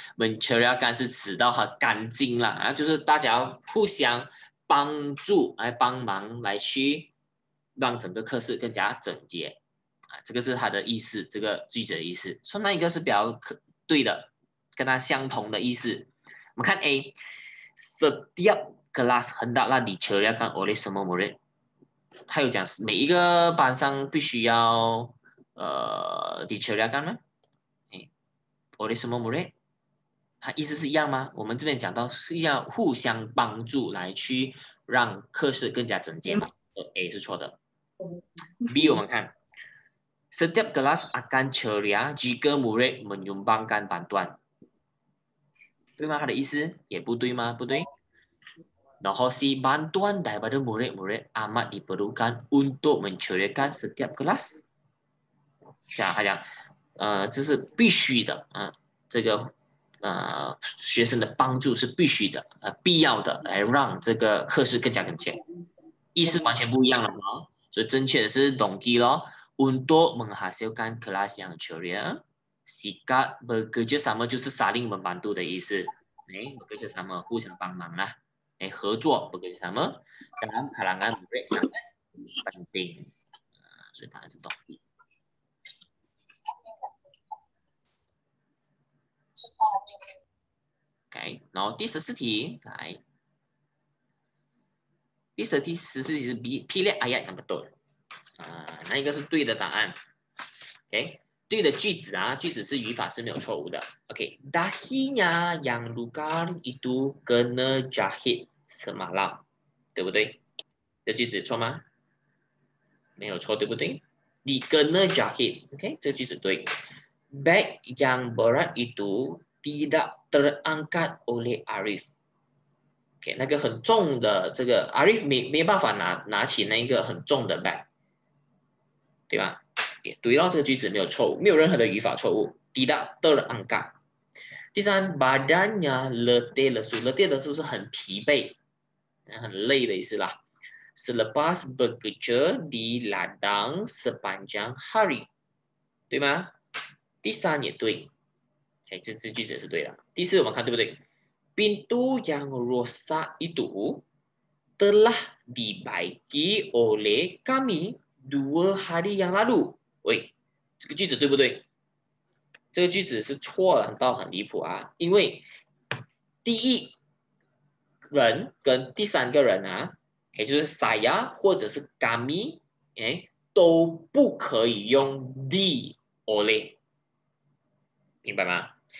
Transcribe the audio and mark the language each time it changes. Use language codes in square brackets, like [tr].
[zh] Material 干是指到很干净啦，就是大家互相帮助来帮忙来去让整个课室更加整洁啊，这个是他的意思，这个句子的意思。说那一个是比较可对的，跟他相同的意思。我们看 A， [ms] setiap kelas hendaklah diceriakan oleh semua murid， [zh] 还有讲是每一个班上必须要 [ms] diceriakan [zh] 吗？ [ms] oleh semua murid。 [zh] 他意思是一样吗？我们这边讲到是要互相帮助来去让课室更加整洁嘛？A 是错的。 [ms] B 我们看，setiap kelas akan ceria jika murid menyumbangkan bantuan， [zh] 对吗？他的意思也不对吗？不对。然后 [ms] C bantuan daripada murid-murid amat diperlukan untuk menceriakan setiap kelas。 [zh] 讲他讲，这是必须的啊，这个。学生的帮助是必须的，必要的，来让这个课室更加整洁，意思完全不一样了嘛。所以正确的是 donkey 咯， [ms] untuk menghasilkan kelas yang ceria, sikap bekerja sama [zh] 就是 [ms] saling membantu [zh] 的意思， [ms] bekerja sama [zh] 互相帮忙啦，合作 [ms] bekerja sama dalam kalangan mereka sangat penting， [zh] 所以答案是 donkey。 OK，然后第十四题来，第十四题是 B，霹雳 ayat 怎么读？哪一个是对的答案？OK，对的句子啊，句子是语法是没有错误的。 OK， [ms] dahinya yang luka itu kena jahit semalam， [zh] 对不对？这句子错吗？没有错，对不对？你 [ms] kena jahit， [zh] OK，这句子对。 [ms] bag yang berat itu tidak terangkat oleh Arif。 [zh] OK，那个很重的这个 Arif 没办法拿起那个很重的 bag，对吧？也对了，这个句子没有错误，没有任何的语法错误。 [ms] tidak terangkat。 [zh] 第三， [ms] badannya letih lesu， letih lesu [zh] 是很疲惫、很累的意思啦。 [ms] selepas bekerja di ladang sepanjang hari， [zh] 对吗？第三也对。这句子也是对的。第四，我们看对不对？ [ms] Pintu yang rosak itu telah dibaiki oleh kami 2 hari yang lalu。 [zh] 喂，这个句子对不对？这个句子是错了，很离谱啊！因为第一人跟第三个人啊，就是 saya 或者是 kami，都不可以用 the or 嘞，明白吗？